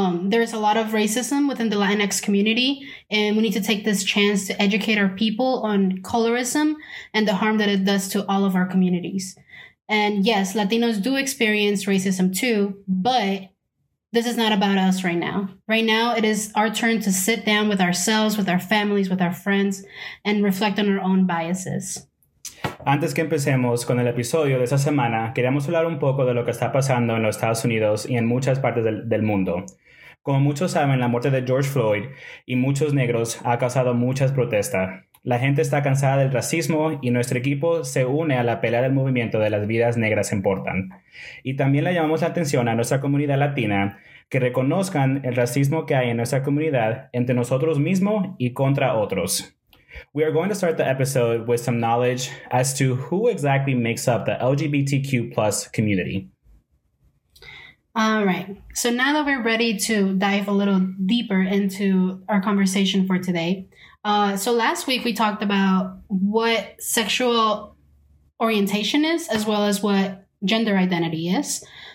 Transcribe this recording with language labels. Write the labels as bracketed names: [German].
[English] There's a lot of racism within the Latinx community, and we need to take this chance to educate our people on colorism and the harm that it does to all of our communities. And yes, Latinos do experience racism too, but this is not about us right now. Right now, it is our turn to sit down with ourselves, with our families, with our friends, and reflect on our own biases. [Spanish] Antes que empecemos con el episodio de esta semana, queríamos hablar un poco de lo que está pasando en los Estados Unidos y en muchas partes del mundo. Como muchos saben, la muerte de George Floyd y muchos negros ha causado muchas protestas. La gente está cansada del racismo y nuestro equipo se une a la pelea del movimiento de las vidas negras importan. Y también le llamamos la atención a nuestra comunidad latina que reconozcan el racismo que hay en nuestra comunidad entre nosotros mismos y contra otros. [English] We are going to start the episode with some knowledge as to who exactly makes up the LGBTQ plus community. All right. So now that we're ready to dive a little deeper into our conversation for today. So last week we talked about what sexual orientation is, as well as what gender identity is.